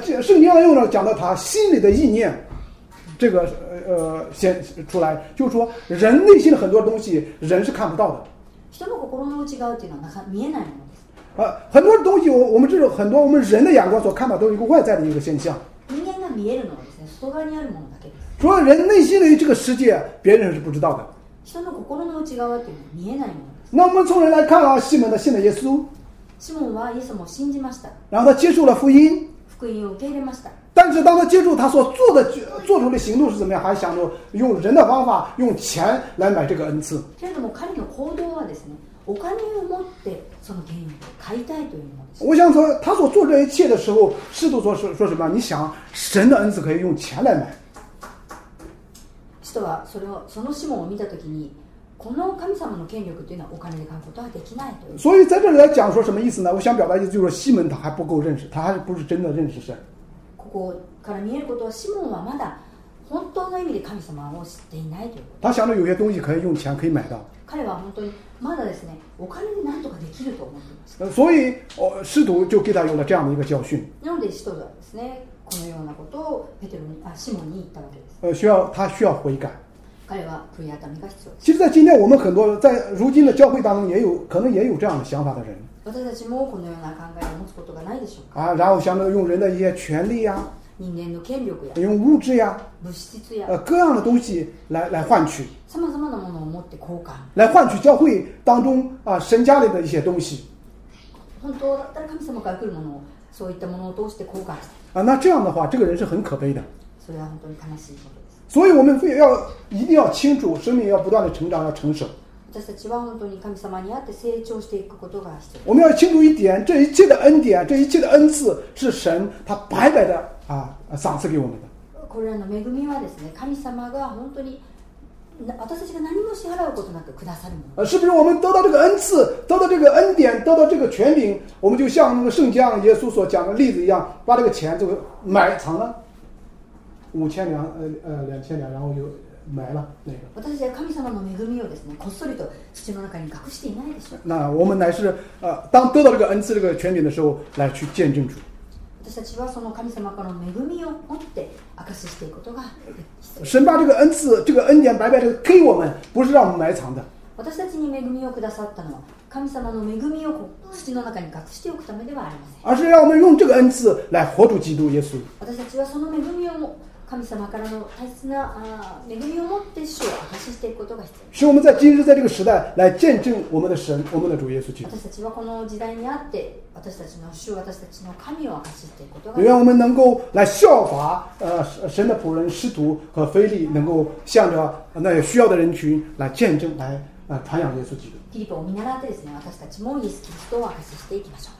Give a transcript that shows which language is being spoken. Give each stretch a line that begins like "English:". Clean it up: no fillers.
Chinese: 啊，圣经上用了讲到他心里的意念。这个先出来，就是说人内心的很多东西，人是看不到的。
Japanese: 人の心の内側っていうのはなかなか見えないものです。
Chinese: 很多东西，我们这种很多我们人的眼光所看到，都是一个外在的一个现象。
Japanese: 人間が見えるのはですね、外側にあるものだけです。
Chinese: 说人内心的这个世界，别人是不知道的。
Japanese: 人の心の内側っていうのは見えないものです。
Chinese: 那我们从人来看啊，西门他信了耶稣。
Japanese: シモンはイエスも信じました。
Chinese: 然后他接受了福音。
Japanese: 福音を受け入れました。
Chinese: 但是当他接触他所做的做出的行动是怎么样，还想着用人的方法用钱来买这个恩赐。
Japanese: けれども彼の行動はですね、お金を持ってその権威を買いたいというものです。
Chinese: 我想说他所做这一切的时候，试图说什么，你想神的恩赐可以用钱来买。
Japanese: 使徒はそれをそのシモンを見た時に、この神様の権力というのはお金で買うことはできないという。
Chinese: 所以在这里来讲说什么意思呢？我想表达意思就是说西门他还不够认识，他还不是真的认识神。
Japanese: ここから見えることはシモンはまだ本当の意味で神様を知っていないということ。
Chinese: 他想着有些东西可以用钱可以买到。
Japanese: 彼は本当にまだですね、お金で何とかできると思っています。
Chinese: 所以使徒就给他用了这样的一个教训。
Japanese: なので使徒はですね、このようなことをペテロにシモンに言ったわけです。
Chinese: 他需要悔改。
Japanese: 彼は悔い改めが必要。
Chinese: 其实在今天我们很多在如今的教会当中也有可能也有这样的想法的人。
Japanese: 私たちもこのような考えを持つことがないでしょうか。
Chinese: 然后想着用人的一些权力呀、
Japanese: 人間の権力や、
Chinese: 用物质呀、
Japanese: 物質や、
Chinese: 各样的东西来换取。
Japanese: 様々なものを持って交換。
Chinese: 来换取教会当中神家里的一些东西。
Japanese: 本当だったら神様から来るものを、そういったものを通して交換して。
Chinese: 那这样的话，这个人是很可悲的。
Japanese: それは本当に悲しいことです。
Chinese: 所以我们非要一定要清楚，生命要不断的成长，要成熟。
Japanese: 私たちは本当に神様にあって成長していくことが必要。
Chinese: 我们要清楚一点，这一切的恩典，这一切的恩赐是神他白白的赏赐给我们的。
Japanese: これらの恵みはですね、神様が本当に私たちが何も支払うことなくくださるもの。
Chinese: 是不是我们得到这个恩赐，得到这个恩典，得到这个权柄，我们就像那个圣经耶稣所讲的例子一样，把这个钱就埋藏了2000两，然后就。埋了那个。
Japanese: 私たちは神様の恵みをですね、こっそりと土の中に隠していないでしょう。
Chinese: 那我们乃是当得到这个恩赐、这个权柄的时候，来去见证主。
Japanese: 私たちはその神様からの恵みを持って証ししていくことが必要。
Chinese: 神把这个恩赐、这个恩典白白的给我们，不是让我们埋藏的。
Japanese: 私たちに恵みをくださったのは、神様の恵みを土の中に隠しておくためではありません。
Chinese: 而是让我们用这个恩赐来活出基督耶稣。
Japanese: 私たちはその恵みを神様からの大切な恵みを持って主を証ししていくことが必要です。
Chinese: 使我们在今日在这个时代来见证我们的神，我们的主耶稣基督。
Japanese: 私たちはこの時代にあって私たちの主、私たちの神を証ししていくことが必要。
Chinese: 愿我们能够来效法神的仆人使徒和腓力，能够向着那些需要的人群来见证，来传扬耶稣基督。
Japanese: フィリポを見習ってですね、私たちもイエスキリストを証ししていきましょう。